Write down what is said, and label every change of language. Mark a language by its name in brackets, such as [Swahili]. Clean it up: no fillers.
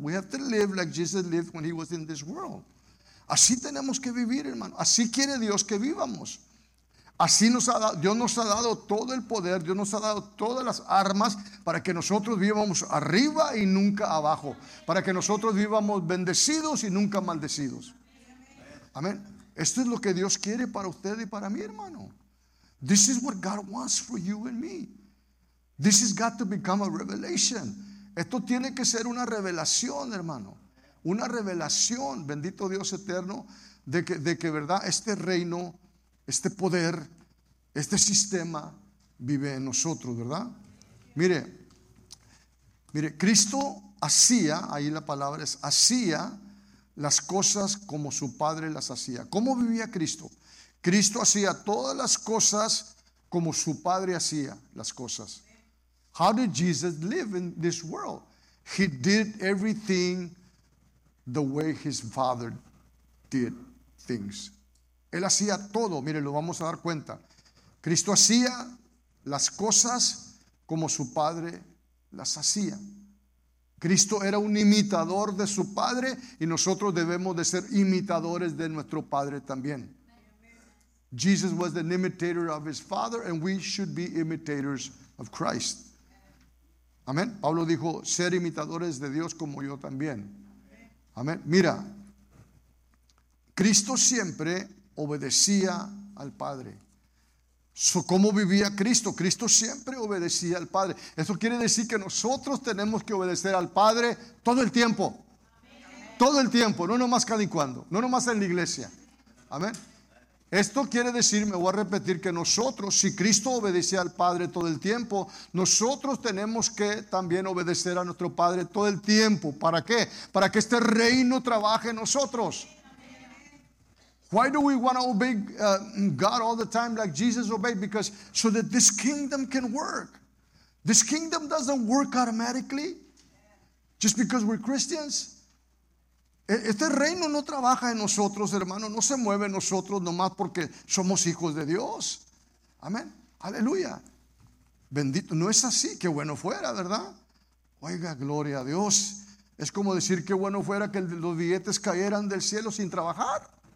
[English] We have to live like Jesus lived when he was in this world. [Spanish] Así tenemos que vivir, hermano. Así quiere Dios que vivamos. Así nos ha dado, Dios nos ha dado todo el poder, Dios nos ha dado todas las armas para que nosotros vivamos arriba y nunca abajo, para que nosotros vivamos bendecidos y nunca maldecidos. Amén. Esto es lo que Dios quiere para usted y para mí, hermano. [English] This is what God wants for you and me. This has got to become a revelation. [Spanish] Esto tiene que ser una revelación, hermano. Una revelación, bendito Dios eterno, de que verdad este reino, este poder, este sistema vive en nosotros, ¿verdad? Mire, Cristo hacía, ahí la palabra es, hacía las cosas como su Padre las hacía. ¿Cómo vivía Cristo? Cristo hacía todas las cosas como su Padre hacía las cosas. [English] How did Jesus live in this world? He did everything the way his Father did things. [Spanish] Él hacía todo, mire, lo vamos a dar cuenta. Cristo hacía las cosas como su Padre las hacía. Cristo era un imitador de su Padre y nosotros debemos de ser imitadores de nuestro Padre también. [English] Jesus was an imitator of his Father and we should be imitators of Christ. [Spanish] Amén. Pablo dijo, ser imitadores de Dios como yo también. Amén. Mira, Cristo siempre obedecía al Padre. ¿Cómo vivía Cristo? Cristo siempre obedecía al Padre. Eso quiere decir que nosotros tenemos que obedecer al Padre todo el tiempo. Todo el tiempo, no nomás cada y cuando, no nomás en la iglesia. Amén. Esto quiere decir, me voy a repetir, que nosotros, si Cristo obedecía al Padre todo el tiempo, nosotros tenemos que también obedecer a nuestro Padre todo el tiempo. ¿Para qué? Para que este reino trabaje en nosotros. [English] Why do we want to obey God all the time like Jesus obeyed? Because so that this kingdom can work. This kingdom doesn't work automatically just because we're Christians. [Spanish] Este reino no trabaja en nosotros, hermano. No se mueve en nosotros nomás porque somos hijos de Dios. Amén. Aleluya. Bendito. No es así. Qué bueno fuera, ¿verdad? Oiga, gloria a Dios. Es como decir qué bueno fuera que los billetes cayeran del cielo sin trabajar.